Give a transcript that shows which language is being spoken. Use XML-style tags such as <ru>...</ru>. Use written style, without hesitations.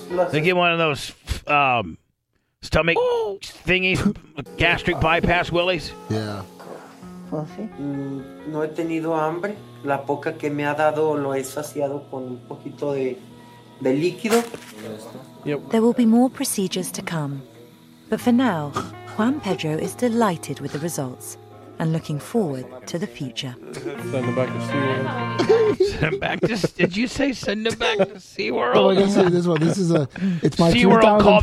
<en>They get one of those stomach thingies, gastric bypass willies. Yeah.</en> <es>No he tenido hambre. La poca que me ha dado lo he saciado con un poquito de líquido.</es> <en>There will be more procedures to come. But for now, Juan Pedro is delighted with the results and looking forward to the future. Send him back to SeaWorld. Did you say send him back to SeaWorld? Oh, I guess this one. This is it's my SeaWorld 3,000 called</en>